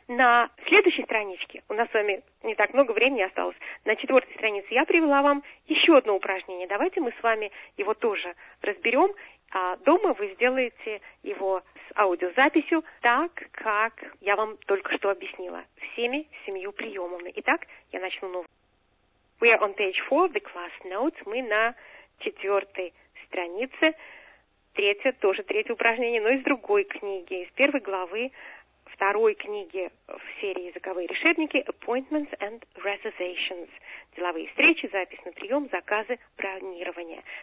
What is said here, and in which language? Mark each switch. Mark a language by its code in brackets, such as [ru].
[ru] На следующей страничке, у нас с вами не так много времени осталось, на четвертой странице я привела вам еще одно упражнение. Давайте мы с вами его тоже разберем, а дома вы сделаете его с аудиозаписью так, как я вам только что объяснила, всеми семью приемами. Итак, я начну новую. [en] We are on page 4 of the class notes. [ru] Мы на четвертой странице. Третье, тоже третье упражнение, но из другой книги, из первой главы второй книги в серии «Языковые решебники» «Appointments and Reservations». Деловые встречи, запись на прием, заказы, бронирование.